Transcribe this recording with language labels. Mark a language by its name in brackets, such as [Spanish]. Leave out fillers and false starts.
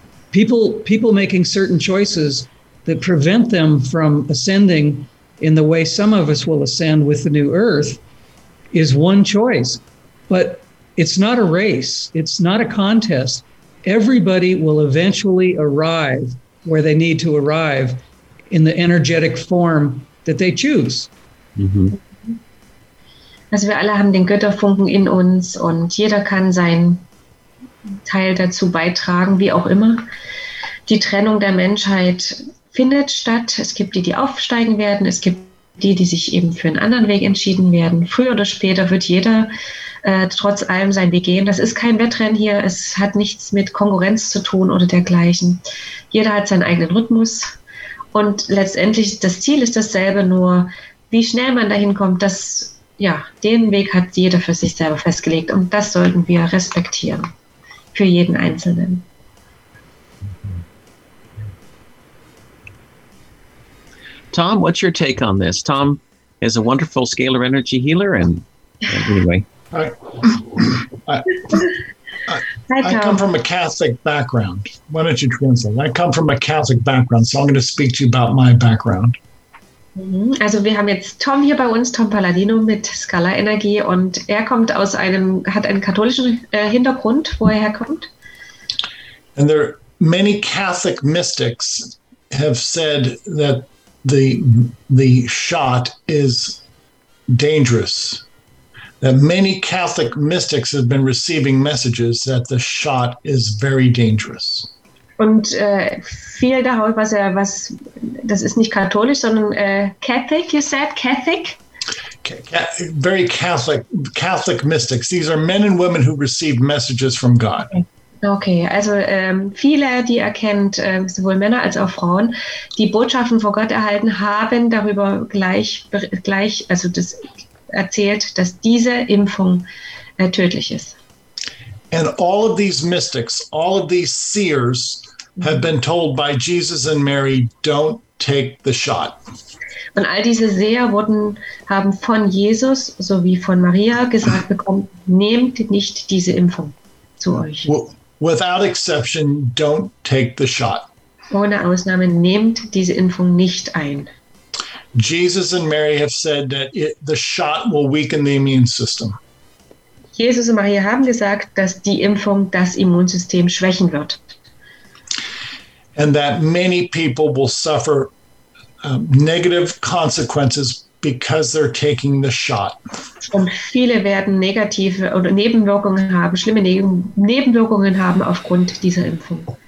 [English] People making certain choices that prevent them from ascending in the way some of us will ascend with the new Earth is one choice, but it's not a race. It's not a contest. Everybody will eventually arrive where they need to arrive in the energetic form that they choose. Mm-hmm. [German] Also wir alle haben den Götterfunken in uns und jeder kann seinen Teil dazu beitragen, wie auch immer. Die Trennung der Menschheit findet statt. Es gibt die aufsteigen werden. Es gibt die sich eben für einen anderen Weg entschieden werden. Früher oder später wird jeder trotz allem seinen Weg gehen. Das ist kein Wettrennen hier. Es hat nichts mit Konkurrenz zu tun oder dergleichen. Jeder hat seinen eigenen Rhythmus. Und letztendlich, das Ziel ist dasselbe, nur wie schnell man dahin kommt, das, ja, den Weg hat jeder für sich selber festgelegt. Und das sollten wir respektieren für jeden Einzelnen. [English] Tom, what's your take on this? Tom is a wonderful scalar energy healer, and anyway. I, I come from a Catholic background. Why don't you translate? I come from a Catholic background, so I'm going to speak to you about my background. [German] Also wir haben jetzt Tom hier bei uns, Tom Palladino mit Scala Energie, und er kommt aus einem, hat einen katholischen Hintergrund, wo er herkommt. [English] And there many Catholic mystics have said that the shot is dangerous. That many Catholic mystics have been receiving messages that the shot is very dangerous. [German] Und viel darüber, was das ist nicht katholisch, sondern [English] Catholic, you said, Catholic? Very Catholic mystics. These are men and women who receive messages from God. [German] Okay, also viele, die erkennt, sowohl Männer als auch Frauen, die Botschaften von Gott erhalten haben, darüber gleich also das erzählt, dass diese Impfung tödlich ist. [English] And all of these mystics, all of these seers, have been told by Jesus and Mary, don't take the shot. [German] Und all diese Seher haben von Jesus sowie von Maria gesagt bekommen, nehmt nicht diese Impfung zu euch. [English] Without exception, don't take the shot. [German] Ohne Ausnahme, nehmt diese Impfung nicht ein. [English] Jesus and Mary have said that the shot will weaken the immune system. [German] Jesus und Maria haben gesagt, dass die Impfung das Immunsystem schwächen wird. [English] And that many people will suffer negative consequences because they're taking the shot. [German] Und viele werden negative oder Nebenwirkungen haben, schlimme Nebenwirkungen haben aufgrund dieser Impfung.